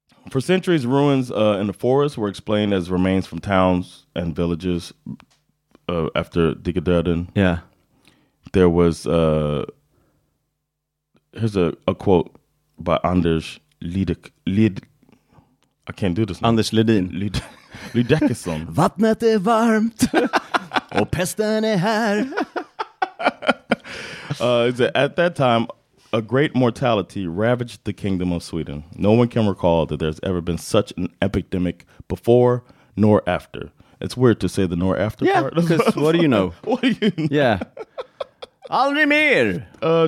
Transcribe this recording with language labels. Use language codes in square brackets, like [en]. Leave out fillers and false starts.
[en] For centuries, ruins in the forest were explained as remains from towns and villages after Dika Durden. Yeah. There was, here's a quote by Anders Lidek. I can't do this now. Anders Lidin. Lidekesson. [sv] Vattnet är varmt och pesten är här. [en] At that time, a great mortality ravaged the kingdom of Sweden. No one can recall that there's ever been such an epidemic before nor after. It's weird to say the nor after part. Yeah, because what do you know? What do you know? [sv] Yeah. Aldrig mer.